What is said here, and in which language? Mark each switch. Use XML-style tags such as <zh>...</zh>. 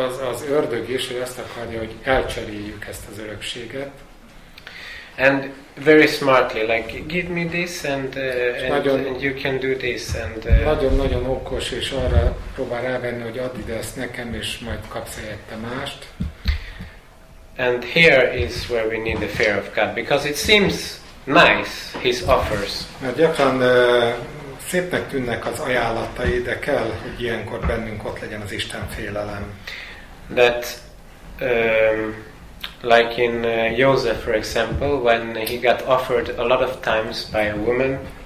<hu>Az ördög is, hogy azt akarja, hogy elcseréljük ezt az örökséget.</hu> <en>And very smartly, like, give me this, and you can do this, and...</en> <hu>Nagyon-nagyon okos, és arra próbál rávenni, hogy add ide ezt nekem, és majd kapsz helyette mást.</hu> <en>And here is where we need the fear of God, because it seems nice, his offers.</en> <hu>Mert gyakran szépnek tűnnek az ajánlatai, de kell, hogy ilyenkor bennünk ott legyen az Isten félelem.</hu> <en>That... like in Joseph, for example, when he got offered a lot of times by a woman.</en>